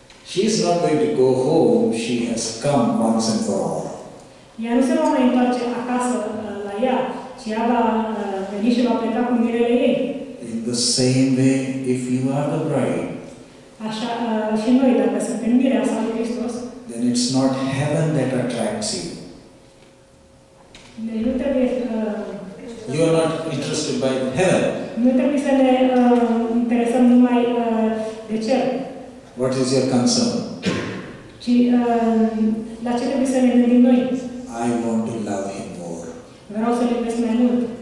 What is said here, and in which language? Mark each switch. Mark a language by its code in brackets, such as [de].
[en] She is not going to go home. She has come once and for all. [ro] Ea nu se va mai întoarce acasă la ea, ci ea va veni și va pleca cu mirele ei. [en] In the same way, if you are the bride, [ro] așa și noi, dacă suntem mireasa lui Hristos, [en] then it's not heaven that attracts you. [ro] Deci nu trebuie să... [en] You are not interested by heaven. [ro] Nu trebuie să ne interesăm numai de cer. [en] What is your concern? [ro] Ci, la ce trebuie să ne gândim noi? [en] I want to love him more. [ro] Vreau să-l iubesc mai mult.